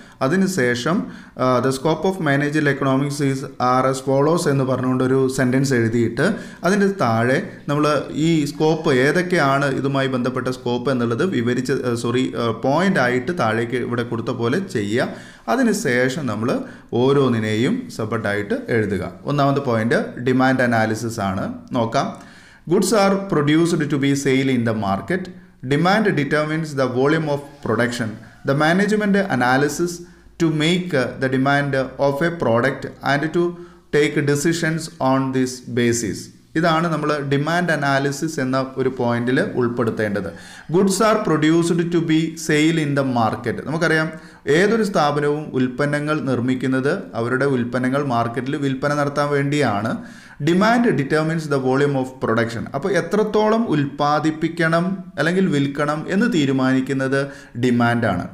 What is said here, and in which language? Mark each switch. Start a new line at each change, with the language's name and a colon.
Malayalam: അതിനുശേഷം
English: the scope of managerial economics is are as follows
Malayalam: എന്ന് പറഞ്ഞുകൊണ്ടൊരു sentence എഴുതിയിട്ട് അതിൻ്റെ താഴെ നമ്മൾ ഈ സ്കോപ്പ് ഏതൊക്കെയാണ് ഇതുമായി ബന്ധപ്പെട്ട സ്കോപ്പ് എന്നുള്ളത് വിവരിച്ച് പോയിൻ്റ് ആയിട്ട് താഴേക്ക് ഇവിടെ കൊടുത്ത പോലെ ചെയ്യുക. അതിനുശേഷം നമ്മൾ ഓരോന്നിനെയും സെപ്പറേറ്റായിട്ട് എഴുതുക. ഒന്നാമത്തെ പോയിൻ്റ് ഡിമാൻഡ് അനാലിസിസ് ആണ്.
English: നോക്കാം, goods are produced to be sale in the market. Demand determines the volume of production. The management analysis to make the demand of a product and to take decisions on this basis.
Malayalam: ഇതാണ് നമ്മൾ demand analysis എന്ന ഒരു പോയിന്റിൽ ഉൾപ്പെടുത്തേണ്ടത്.
English: Goods are produced to be sale in the market.
Malayalam: നമുക്കറിയാം ഏതൊരു സ്ഥാപനവും ഉൽപ്പന്നങ്ങൾ നിർമ്മിക്കുന്നത് അവരുടെ ഉൽപ്പന്നങ്ങൾ മാർക്കറ്റിൽ വിൽപ്പന നടത്താൻ വേണ്ടിയാണ്.
English: Demand determines the volume of production.
Malayalam: അപ്പോൾ എത്രത്തോളം ഉൽപ്പാദിപ്പിക്കണം അല്ലെങ്കിൽ വിൽക്കണം എന്ന് തീരുമാനിക്കുന്നത് ഡിമാൻഡാണ്.